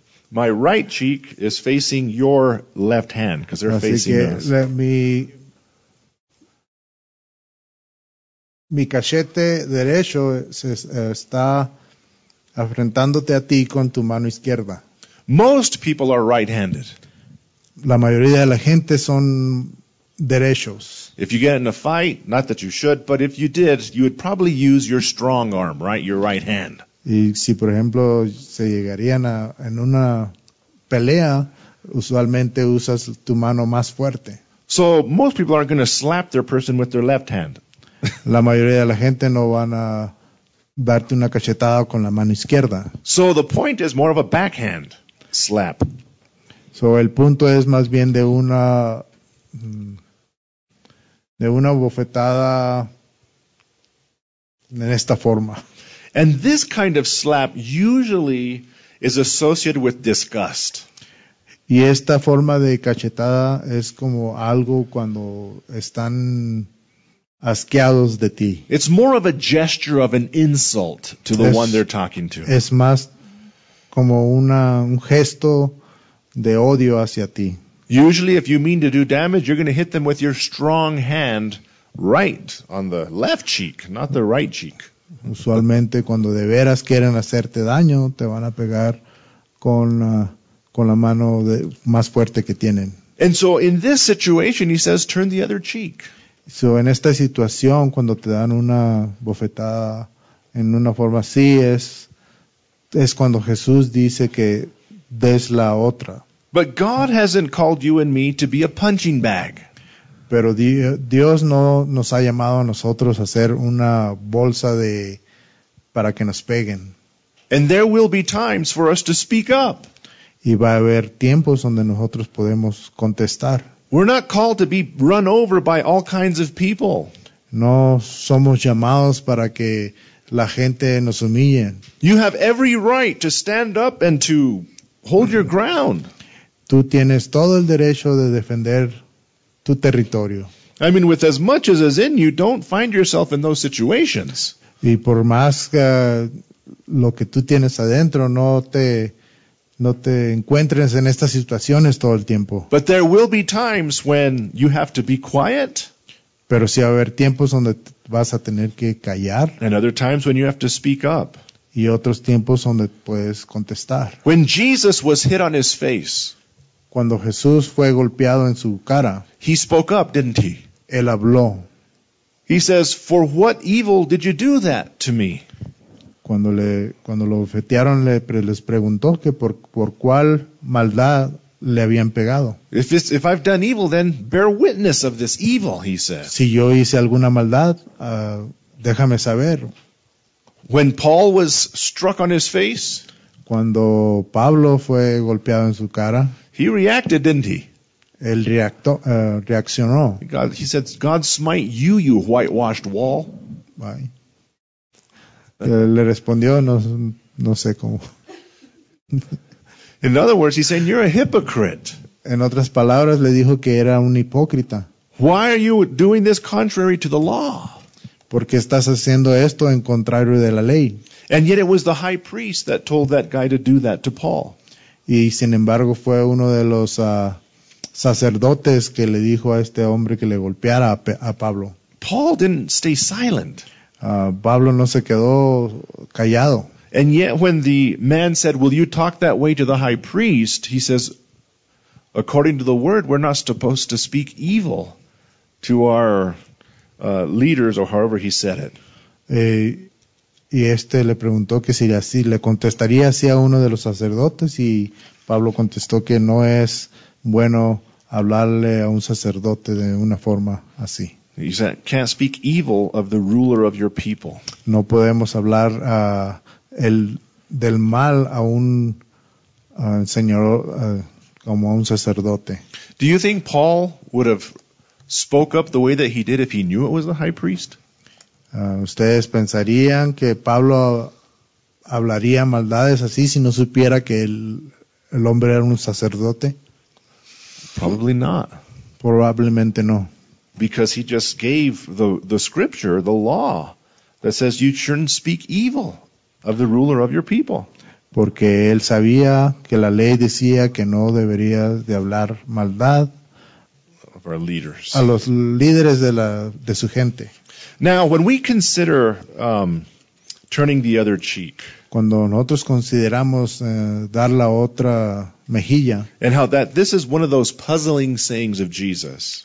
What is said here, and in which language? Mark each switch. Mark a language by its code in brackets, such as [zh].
[en] My right cheek is facing your left hand, because they're [es] así [en] facing [es] que, [en] yours. Let me. [es] Mi cachete derecho se está afrentándote a ti con tu mano izquierda. [en] Most people are right-handed. [es] La mayoría de la gente son derechos. [en] If you get in a fight, not that you should, but if you did, you would probably use your strong arm, right? Your right hand. [es] Y si, por ejemplo, se llegarían a, en una pelea, usualmente usas tu mano más fuerte. [en] So most people aren't going to slap their person with their left hand. [es] La mayoría de la gente no van a darte una cachetada con la mano izquierda. [en] So the point is more of a backhand slap. [es] So el punto es más bien de una bofetada en esta forma. [en] And this kind of slap usually is associated with disgust. [es] Y esta forma de cachetada es como algo cuando están asqueados de ti. [en] It's more of a gesture of an insult to the one they're talking to. [es] Es más como un gesto de odio hacia ti. [en] Usually if you mean to do damage, you're going to hit them with your strong hand right on the left cheek, not the right cheek. [es] Usualmente cuando de veras quieren hacerte daño, te van a pegar con la mano más fuerte que tienen. [en] And so in this situation, he says, turn the other cheek. [es] So en esta situación, cuando te dan una bofetada en una forma así, es cuando Jesús dice que des la otra. [en] But God hasn't called you and me to be a punching bag. [es] Pero Dios no nos ha llamado a nosotros a ser una bolsa de para que nos peguen. [en] And there will be times for us to speak up. [es] Y va a haber tiempos donde nosotros podemos contestar. [en] We're not called to be run over by all kinds of people. [es] No somos llamados para que la gente nos humille. [en] You have every right to stand up and to hold your ground. [es] Tú tienes todo el derecho de defender tu territorio. [en] I mean, with as much as is in you, don't find yourself in those situations. [es] Y por más lo que tú tienes adentro, no te encuentres en estas situaciones todo el tiempo. [en] But there will be times when you have to be quiet. [es] Pero sí va a haber tiempos donde vas a tener que callar. [en] And other times when you have to speak up. [es] Y otros tiempos donde puedes contestar. [en] When Jesus was hit on his face. [es] Cuando Jesús fue golpeado en su cara. [en] He spoke up, didn't he? [es] Él habló. [en] He says, "For what evil did you do that to me?" [es] Cuando lo bofetearon, les preguntó que por cuál maldad le habían pegado. [en] If I've done evil, then bear witness of this evil, he says. [es] Si yo hice alguna maldad, déjame saber. [en] When Paul was struck on his face, [es] cuando Pablo fue golpeado en su cara, [en] he reacted, didn't he? [es] Él reaccionó. [en] He said, "God smite you, you whitewashed wall." [es] Bye. Le respondió, no sé cómo. [en] In other words, he's saying, "You're a hypocrite." [es] En otras palabras, le dijo que era un hipócrita. [en] Why are you doing this contrary to the law? [es] ¿Por qué estás haciendo esto en contrario de la ley? [en] And yet it was the high priest that told that guy to do that to Paul. [es] Y sin embargo fue uno de los sacerdotes que le dijo a este hombre que le golpeara a Pablo. [en] Paul didn't stay silent. [es] Pablo no se quedó callado. [en] And yet when the man said, "Will you talk that way to the high priest?" He says, "According to the word, we're not supposed to speak evil to our leaders," or however he said it. [es] Y este le preguntó que si así le contestaría así a uno de los sacerdotes, y Pablo contestó que no es bueno hablarle a un sacerdote de una forma así. [en] He said, "Can't speak evil of the ruler of your people." [es] No podemos hablar del mal a un señor como a un sacerdote. [en] Do you think Paul would have spoke up the way that he did if he knew it was the high priest? [es] ¿Ustedes pensarían que Pablo hablaría maldades así si no supiera que el hombre era un sacerdote? [en] Probably not. [es] Probablemente no. [en] Because he just gave the scripture, the law, that says you shouldn't speak evil of the ruler of your people. [es] Porque él sabía que la ley decía que no debería de hablar maldad [en] of our leaders. [es] A los líderes de su gente. [en] Now, when we consider turning the other cheek, [es] cuando nosotros consideramos dar la otra mejilla, [en] and how that this is one of those puzzling sayings of Jesus.